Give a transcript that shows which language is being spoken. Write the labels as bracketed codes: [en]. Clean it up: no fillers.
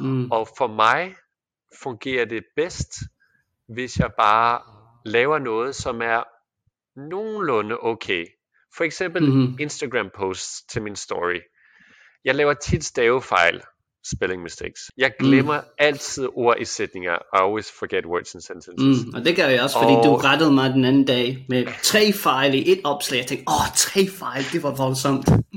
[da] Og for mig fungerer det bedst, hvis jeg bare laver noget, som er nogenlunde okay. For eksempel Instagram posts til min story. Jeg laver tit stavefejl, [en] spelling mistakes. [da] Jeg glemmer altid ord i sætninger. [en] I always forget words in sentences. [da] Og det gør jeg også, fordi du rettede mig den anden dag med tre fejl i et opslag. Jeg tænkte, tre fejl, det var voldsomt.